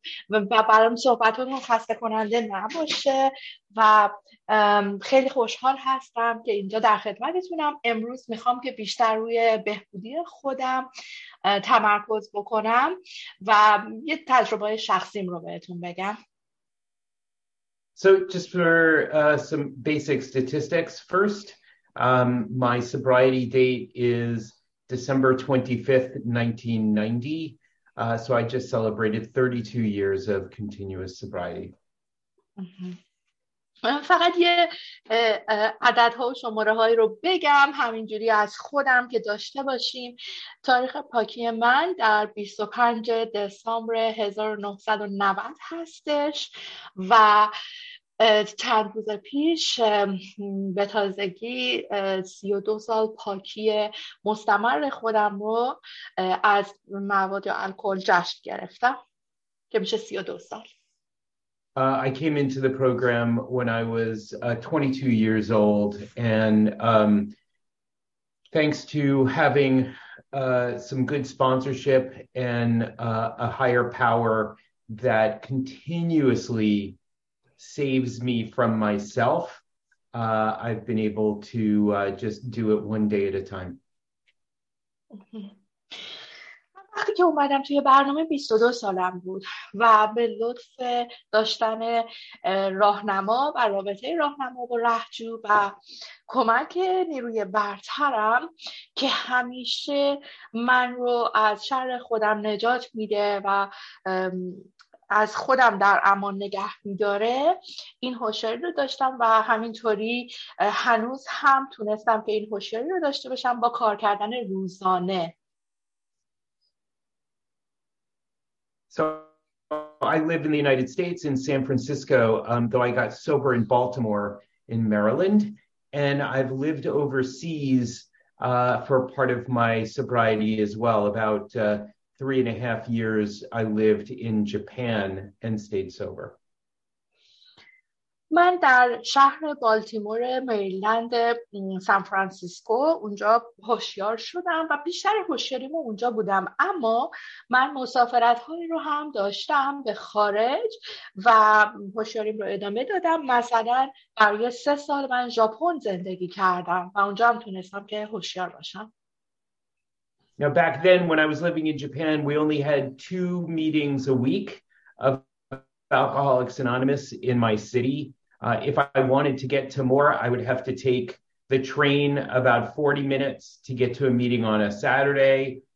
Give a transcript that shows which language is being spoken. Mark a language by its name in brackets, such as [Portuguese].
[Persian] و برام صحبتتون خسته کننده نباشه و خیلی خوشحال هستم که اینجا در خدمتتونم. امروز میخوام که بیشتر روی بهبودی خودم تمرکز بکنم و یه تجربه شخصیم رو بهتون بگم. [English] So just for some basic statistics first, my sobriety date is December 25th, 1990. So I just celebrated 32 years of continuous sobriety. [Persian] فقط یه عددها و شماره هایی رو بگم همینجوری از خودم که داشته باشیم. تاریخ پاکی من در 25 دسامبر 1990 هستش و چند روز پیش به تازگی 32 سال پاکی مستمر خودم رو از مواد یا الکل جشن گرفتم که میشه 32 سال. [English] I came into the program when I was 22 years old, and thanks to having some good sponsorship and a higher power that continuously saves me from myself, I've been able to just do it one day at a time. [Persian] وقتی که اومدم توی برنامه 22 سالم بود و به لطف داشتن راهنما و رابطه راهنما با رهجو و کمک نیروی برترم که همیشه من رو از شر خودم نجات میده و از خودم در امان نگه می‌داره، این هوشیاری رو داشتم و همینطوری هنوز هم تونستم که این هوشیاری رو داشته باشم با کار کردن روزانه. [English] So I live in the United States in San Francisco, though I got sober in Baltimore in Maryland, and I've lived overseas for part of my sobriety as well, about 3.5 years I lived in Japan and stayed sober. [Persian] من در شهر بالتیمور مریلند سان فرانسیسکو اونجا هوشیار شدم و بیشتر هوشیاریمو اونجا بودم، اما من مسافرت هایی رو هم داشتم به خارج و هوشیاریم رو ادامه دادم. مثلا برای 3 سال من ژاپن زندگی کردم و اونجا هم تونستم که هوشیار باشم. [English] Now, back then, when I was living in Japan, we only had 2 meetings a week of Alcoholics Anonymous in my city. If I wanted to get to more, I would have to take the train about 40 minutes to get to a meeting on a Saturday.